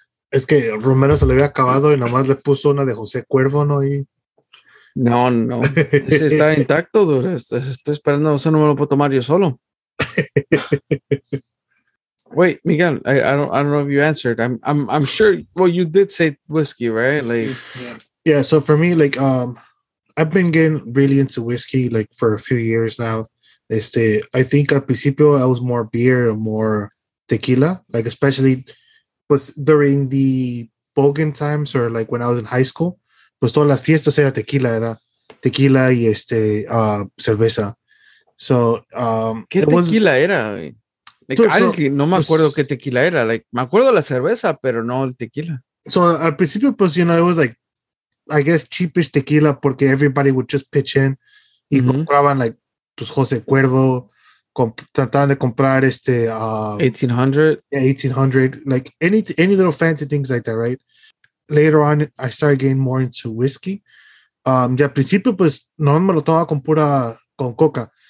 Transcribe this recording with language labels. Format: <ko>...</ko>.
<es>es que Romero se le había acabado y nomás le puso una de José Cuervo, ¿no? Y... No. Ese está intacto, dude. Estoy esperando, o sea, no me lo puedo tomar yo solo.</es> <en>Wait, Miguel, I don't know if you answered. I'm sure, well, you did say whiskey, right? Like, yeah, so for me, like, I've been getting really into whiskey, like, for a few years now. Este, I think</en> <es>al principio</es> <en>I was more beer, more tequila, like, especially was during the Bogan times or, like, when I was in high school.</en> <es>pues todas las fiestas era tequila, ¿verdad? Tequila y cerveza. So, ¿qué tequila era? No me acuerdo qué tequila era. Like, me acuerdo la cerveza, pero no el tequila.</es> <en>So</en> <es>al principio, pues,</es> <en>you know, it was like, I guess, cheapish tequila porque everybody would just pitch in y mm-hmm.</en> <es>compraban, like, pues, José Cuervo, trataban de comprar</es> <en>1800. Yeah, 1800. Like, any little fancy things like that, right? Later on, I started getting more into whiskey.</en> <es>Y al principio, pues, no me lo tomaba con pura, con coca.</es>